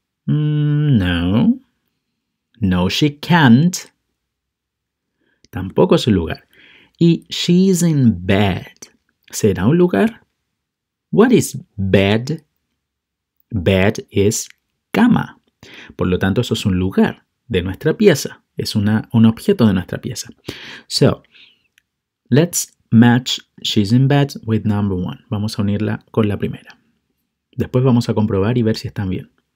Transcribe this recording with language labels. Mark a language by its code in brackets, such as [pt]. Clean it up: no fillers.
[en] No. No, she can't. [es] Tampoco es un lugar. Y [en] she's in bed. [es] ¿Será un lugar? [en] What is bed? [es] Bed es cama. Por lo tanto, eso es un lugar de nuestra pieza. Es un objeto de nuestra pieza. [en] So, let's match she's in bed with number one. [es] Vamos a unirla con la primera. Después vamos a comprobar y ver si están bien.